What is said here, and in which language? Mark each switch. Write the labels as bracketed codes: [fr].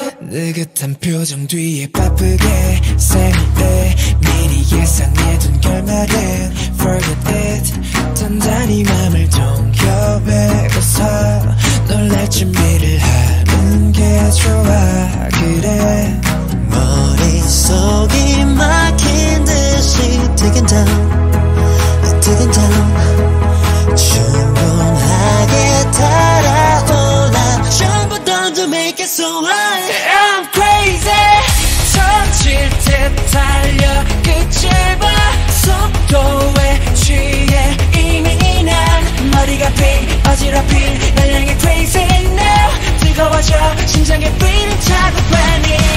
[ko] 느긋한 표정 뒤에 바쁘게 세밀해 미리 예상해둔 결말에 [en] Forget it [ko] 단단히 맘을 동여매고서 놀랄 준비를 하는 게 좋아 그래 머릿속이 막힌 듯이 [en] digging down, digging down [ko] 충분하게 달아올라 전부 던져 [en] make it so alive I'm crazy [ko] 터질 듯 달려 끝을 봐 속도에 취해 이미 난 머리가 빈 어지럽힌 날 향해 [en] crazy now [ko] 뜨거워져 심장의 beat을 차고 빠니